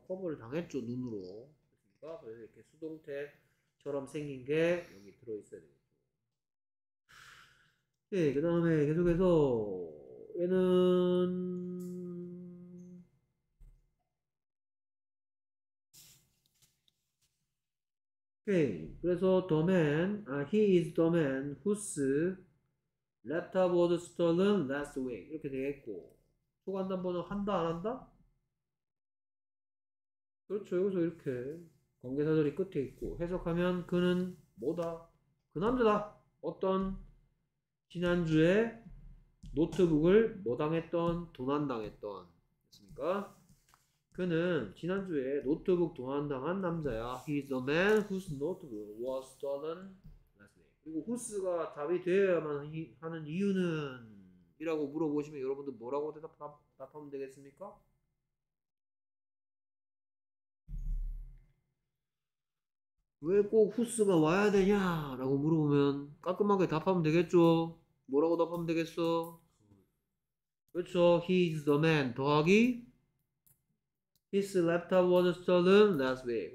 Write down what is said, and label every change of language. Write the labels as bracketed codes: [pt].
[ko] 커버를 당했죠, 눈으로. 그러니까 그래서 이렇게 수동태처럼 생긴 게 여기 들어있어야 되겠죠. 네, 그 다음에 계속해서 얘는 오케이. 그래서 [en] the man, he is the man whose laptop was stolen last week. [ko] 이렇게 되겠고. 초간단보는 한다 안 한다? 그렇죠. 여기서 이렇게 관계사절이 끝에 있고 해석하면 그는 뭐다? 그 남자다. 어떤 지난주에 노트북을 뭐 당했던 도난당했던 됐습니까? 그는 지난주에 노트북 도난당한 남자야. [en] He's the man whose notebook was stolen last week. [ko] 그리고 whose가 답이 되어야만 하는 이유는? 이라고 물어보시면 여러분들 뭐라고 답하면 되겠습니까? 왜꼭 후스가 와야 되냐라고 물어보면 깔끔하게 답하면 되겠죠? 뭐라고 답하면 되겠어? 그렇죠. [en] He's the man [ko] 더하기 [en] His laptop was stolen last week.